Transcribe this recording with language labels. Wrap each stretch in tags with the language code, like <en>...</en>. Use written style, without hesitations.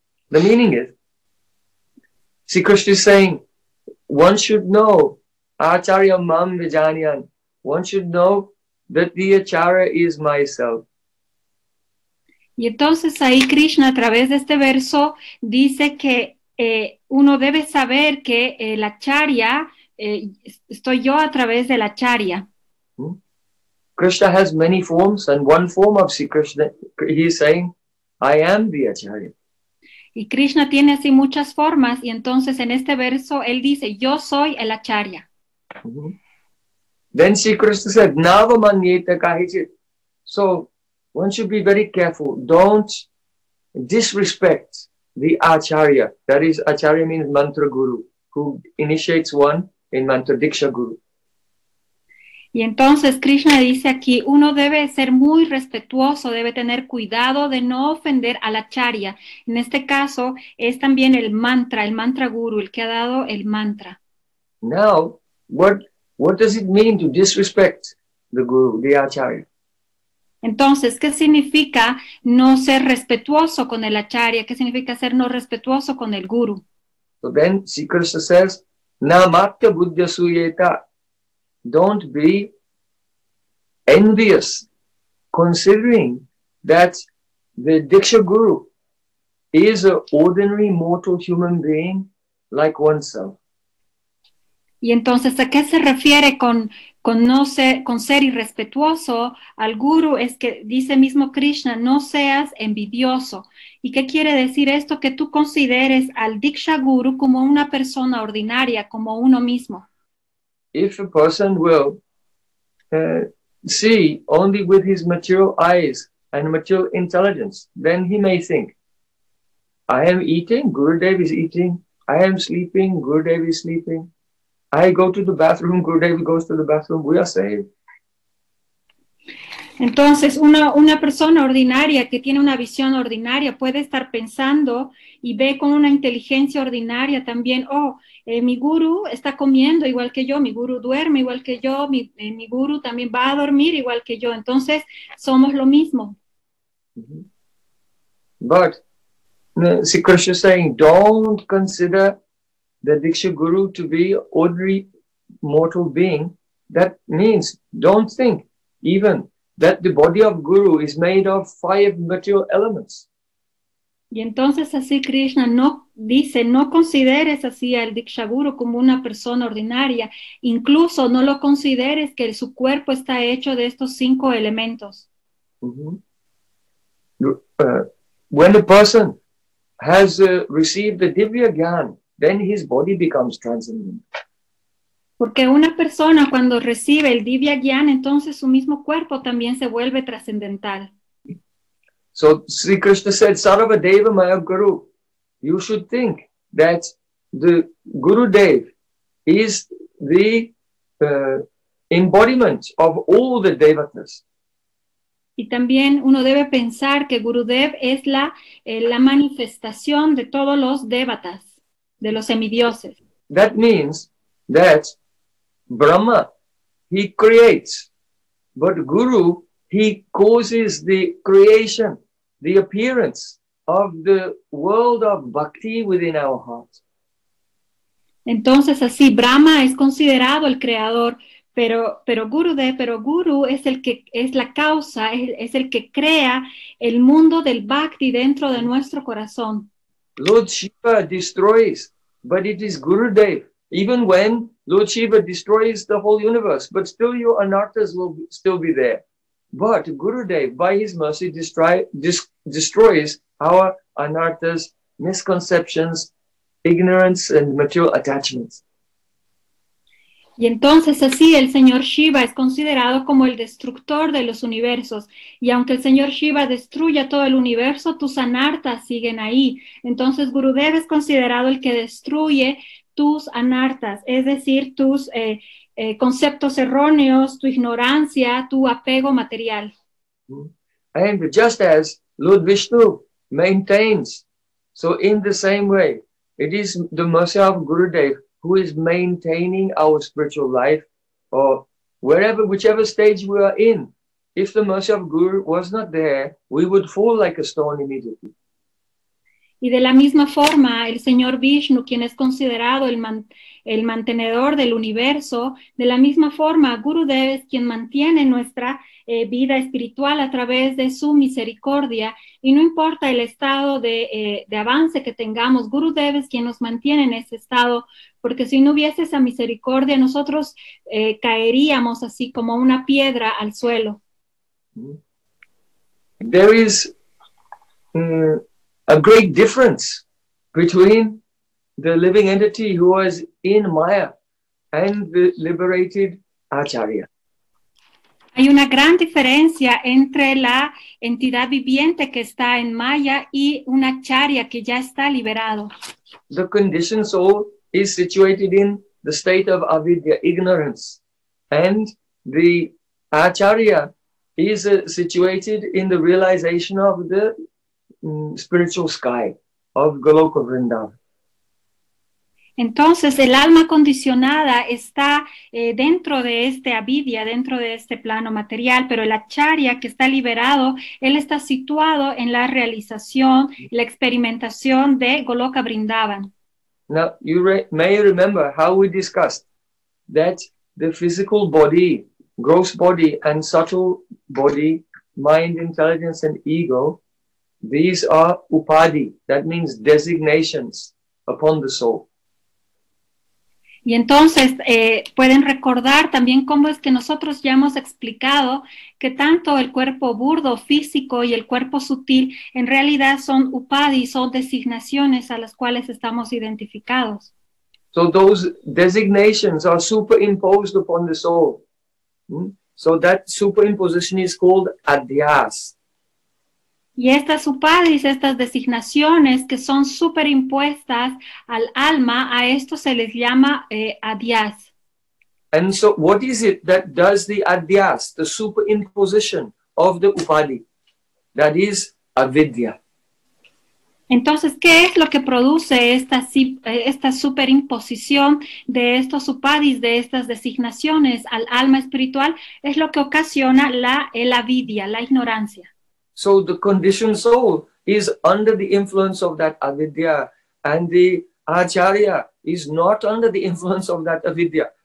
<en>The meaning is, Sri Krishna is saying, one should know,</en> <sa>Acharya mam vijaniyam,</sa> <en>one should know that the Acharya is myself.</en> <es>Y entonces ahí Krishna a través de este verso dice que uno debe saber que el Acharya, estoy yo a través del Acharya.</es> <en>Krishna has many forms and one form of Sri Krishna, he is saying, I am the Acharya.</en> <es>Y Krishna tiene así muchas formas y entonces en este verso él dice, yo soy el Acharya.</es> <en>Then Sri Krishna said,</en> <sa>Nava manyeta kahichit.</sa> <en>So, one should be very careful. Don't disrespect the Acharya. That is, Acharya means Mantra Guru, who initiates one in Mantra Diksha Guru.</en> <es>Y entonces Krishna dice aquí, uno debe ser muy respetuoso, debe tener cuidado de no ofender al Acharya. En este caso, es también el mantra guru, el que ha dado el mantra.</es> <en>Now, what does it mean to disrespect the guru, the Acharya?</en> <es>Entonces, ¿qué significa no ser respetuoso con el Acharya? ¿Qué significa ser no respetuoso con el guru?</es> <en>So then, Sri Krishna says,</en> <sa>Namatya buddhya suyeta.</sa> <en>Don't be envious, considering that the Diksha Guru is an ordinary mortal human being like oneself.</en> <es>Y entonces, ¿a qué se refiere con ser irrespetuoso al Guru? Es que dice mismo Krishna, no seas envidioso. ¿Y qué quiere decir esto? Que tú consideres al Diksha Guru como una persona ordinaria, como uno mismo.</es> <en>If a person will see only with his material eyes and material intelligence, then he may think, I am eating, Gurudev is eating. I am sleeping, Gurudev is sleeping. I go to the bathroom, Gurudev goes to the bathroom. We are saved.</en> <es>Entonces, una persona ordinaria que tiene una visión ordinaria puede estar pensando y ve con una inteligencia ordinaria también, mi guru está comiendo igual que yo, mi guru duerme igual que yo, mi guru también va a dormir igual que yo. Entonces, somos lo mismo.</es> <en>But, Sri Krishna is saying, don't consider the Diksha Guru to be an ordinary mortal being. That means, don't think even that the body of Guru is made of five material elements.</en> <es>Y entonces así Krishna no dice, no consideres así al Diksha Guru como una persona ordinaria, incluso no lo consideres que su cuerpo está hecho de estos cinco elementos.</es> <en>When a person has received the Divya Gyan, then his body becomes transcendent.</en> <es>Porque una persona cuando recibe el Divya Gyan, entonces su mismo cuerpo también se vuelve trascendental.</es> <en>So Sri Krishna said,</en> <sa>Sarva Deva Maya Guru,</sa> <en>you should think that the Gurudev is the embodiment of all the devatas.</en> <es>Y también uno debe pensar que Gurudev es la manifestación de todos los devatas, de los semidioses.</es> <en>That means that Brahma, he creates, but Guru, he causes the creation, the appearance of the world of bhakti within our hearts.</en> <es>Entonces, así, Brahma es considerado el creador, pero Guru es el que es la causa, es el que crea el mundo del bhakti dentro de nuestro corazón.</es> <en>Lord Shiva destroys, but it is Gurudev. Even when Lord Shiva destroys the whole universe, but still your anartas will still be there. But Gurudev, by his mercy, destroys our anartas, misconceptions, ignorance, and material attachments.</en> <es>Y entonces así el señor Shiva es considerado como el destructor de los universos. Y aunque el señor Shiva destruya todo el universo, tus anartas siguen ahí. Entonces Gurudev es considerado el que destruye tus anartas, es decir, tus conceptos erróneos, tu ignorancia, tu apego material.</es> <en>And just as Lord Vishnu maintains, so in the same way, it is the mercy of Gurudev who is maintaining our spiritual life, or wherever, whichever stage we are in. If the mercy of Guru was not there, we would fall like a stone immediately.</en> <es>Y de la misma forma, el Señor Vishnu, quien es considerado el mantenedor del universo, de la misma forma, Gurudev es quien mantiene nuestra vida espiritual a través de su misericordia, y no importa el estado de avance que tengamos, Gurudev es quien nos mantiene en ese estado, porque si no hubiese esa misericordia, nosotros caeríamos así como una piedra al suelo.</es> <en>There is a great difference between the living entity who was in Maya and the liberated Acharya.</en> <es>Hay una gran diferencia entre la entidad viviente que está en Maya y un Acharya que ya está liberado.</es> <en>The conditioned soul is situated in the state of avidya, ignorance, and the Acharya is situated in the realization of the spiritual sky of Goloka Vrindavan.</en> <es>Entonces, el alma condicionada está dentro de este avidya, dentro de este plano material, pero el acharya que está liberado, él está situado en la realización, la experimentación de Goloka Vrindavan.</es> <en>Now, you may remember how we discussed that the physical body, gross body and subtle body, mind, intelligence and ego, these are upadhi, that means designations upon the soul.</en> <es>Y entonces pueden recordar también cómo es que nosotros ya hemos explicado que tanto el cuerpo burdo físico y el cuerpo sutil en realidad son upadhi, son designaciones a las cuales estamos identificados.</es> <en>So those designations are superimposed upon the soul. So that superimposition is called adhyas.</en> <es>Y estas upadis, estas designaciones que son superimpuestas al alma, a esto se les llama adhyas.</es> <en>And so what is it that does the adhyas, the superimposition of the upadi? That is avidya.</en> <es>Entonces, ¿qué es lo que produce esta superimposición de estos upadis, de estas designaciones al alma espiritual? Es lo que ocasiona la avidya, la ignorancia.</es> <en>So the conditioned soul is under the influence of that avidya, and the acharya is not under the influence of that avidya.</en>